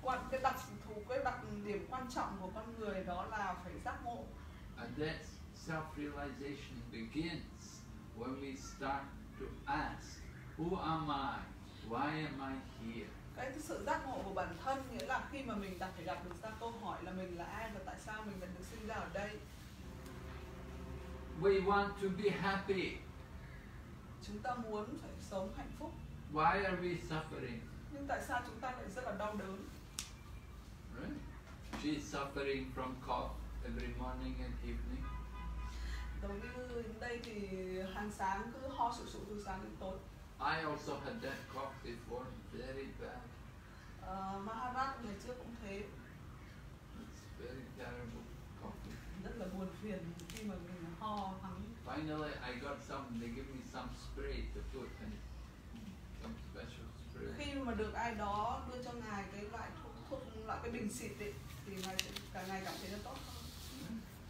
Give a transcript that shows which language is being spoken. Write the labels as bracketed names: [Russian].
[Vietnamese] Cái đặc điểm quan trọng của con người đó là phải giác ngộ. [English] And that self-realization begins when we start to ask, who am I? Why am I here? [Vietnamese] Cái sự giác ngộ của bản thân nghĩa là khi mà mình đặt phải đặt được ra câu hỏi là mình là ai và tại sao mình lại được sinh ra ở đây. [English] We want to be happy. [Vietnamese] Chúng ta muốn phải sống hạnh phúc. [English] Why are we suffering? [Vietnamese] Nhưng tại sao chúng ta lại rất là đau đớn? [English] Right? She's suffering from cough every morning and evening. [Vietnamese] Giống như đây thì hàng sáng cứ ho sụ sụ từ sáng đến tối. [English] I also had that cough before, very bad. [Vietnamese] Maharat ngày trước cũng thế. [English] It's very terrible coughing. [Vietnamese] Rất là buồn phiền khi mà mình ho hắng. [English] Finally, I got some. They give me some spray to put in. Some special spray. [Vietnamese] Khi mà được ai đó đưa cho ngài cái loại thuốc loại cái bình xịt ấy, thì ngài cả ngày cảm thấy nó tốt hơn.